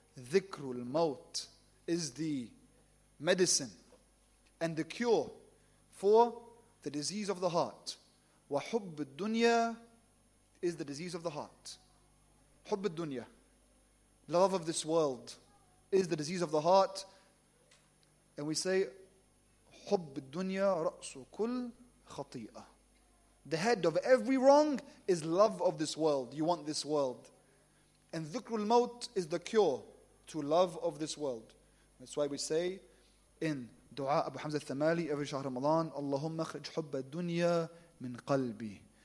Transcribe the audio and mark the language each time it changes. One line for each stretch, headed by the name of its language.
English: Dhikrul maut is the medicine and the cure for the disease of the heart. Wa hubb ad-dunya is the disease of the heart. Hubb ad-dunya, love of this world, is the disease of the heart. And we say,
Arabic: حُبِّ الدُّنْيَا رَأْسُ كُلْ خَطِيئَةً.
English: The head of every wrong is love of this world. You want this world. And
Arabic: ذُكْرُ الْمَوْتِ
English: is the cure to love of this world. That's why we say in Dua Abu Hamza al-Thamali every Shahr Ramadan,
Arabic: اللهم اخرج حب الدنيا من قلبي.